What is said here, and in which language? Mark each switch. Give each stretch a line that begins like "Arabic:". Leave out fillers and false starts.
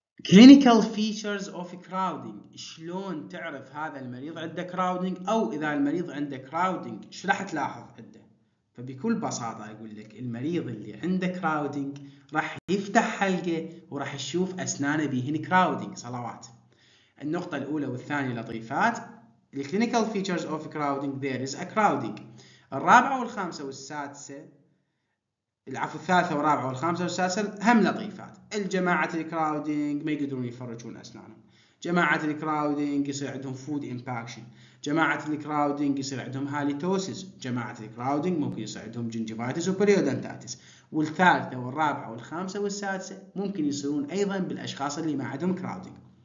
Arabic: كلينيكال فيتشرز اوف كراودينج، شلون تعرف هذا المريض عنده كراودينج، او اذا المريض عنده كراودينج ايش راح تلاحظ عنده؟ فبكل بساطة أقول لك المريض اللي عنده كراودينج راح يفتح حلقه وراح يشوف أسنانه بيهن كراودينج. صلوات. النقطة الأولى والثانية لطيفات.
English: The clinical features of crowding there is a crowding.
Arabic: الرابعة والخامسة والسادسة، العفو الثالثة والرابعة والخامسة والسادسة هم لطيفات. الجماعة الكراودينج ما يقدرون يفرجون أسنانهم، جماعة الكراودينج يصير عندهم food impaction، جماعة الكراودينج يصير عندهم هاليتوسيس، جماعة الكراودينج ممكن يصير عندهم جنجيفايتس وبريودنتاتس، والثالثة والرابعة والخامسة والسادسة ممكن يصيرون أيضا بالأشخاص اللي ما عندهم كراودينج.